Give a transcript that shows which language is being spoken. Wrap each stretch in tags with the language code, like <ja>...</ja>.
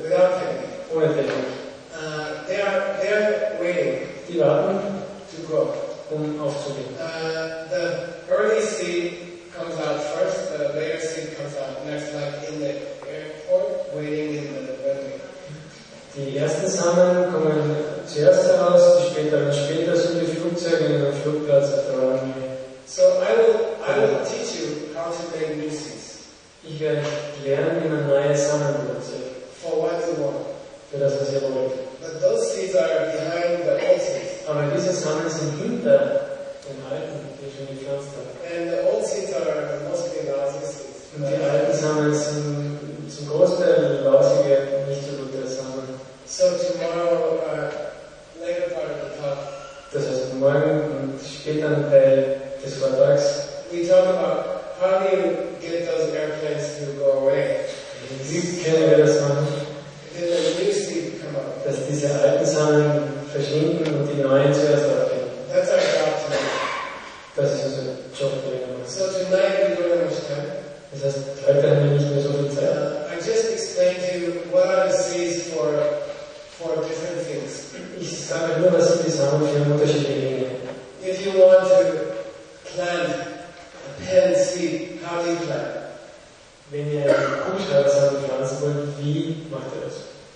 <en>Without technique.</en> <de>Ohne technique.</de> <en>They are waiting.</en> <de>Die warten.</de> <en>To grow.</en> <de>Aufzugehen.</de> <en>The early seed comes out first, the later seed comes out next, like in the airport, waiting in the runway.</en> <de>Die ersten Samen kommen zuerst heraus, die später sind die Flugzeuge in den Flugplatz auf der Runway.</de> <en>So I will teach you how to make new seeds.</en> <de>Ich werde lernen, wie man neue Samen produziert.</de> <en>For what you want.</en> <de>Für das, was ihr wollt.</de> <en>But those seeds are behind the old seeds.</en> <de>Aber diese Samen sind hinter den alten, die schon gepflanzt haben.</de> <en>And the old seeds are mostly lousy seeds.</en> <de>Und die alten Samen sind zum Großteil lausige, nicht so gute Samen.</de> <en>So tomorrow, later part of the talk.</en> <de>Das heißt morgen und später ein Teil des Vortrags.</de> <en>We talk about how do you get those airplanes to go away.</en> <de>Wie können wir das machen?</de> <en>Then the new seed come up.</en> <de>Dass diese alten Samen verschwinden und die neuen zuerst aufgehen.</de> <en>That's our job tonight.</en> <de>Das ist unser Job</de> <en>tonight. So tonight we don't have much time.</en> <de>Das heißt, heute haben wir nicht mehr so viel Zeit.</de> <en>I just explained to you what are the seeds for different things.</en> <de>Ich sage nur, was sind die Samen für unterschiedliche Dinge.</de> <en>If you want to plant a pen seed, how do you plant?</en> <de>Wenn ihr einen Kuhstrahlsamen pflanzen wollt, wie macht ihr das?</de>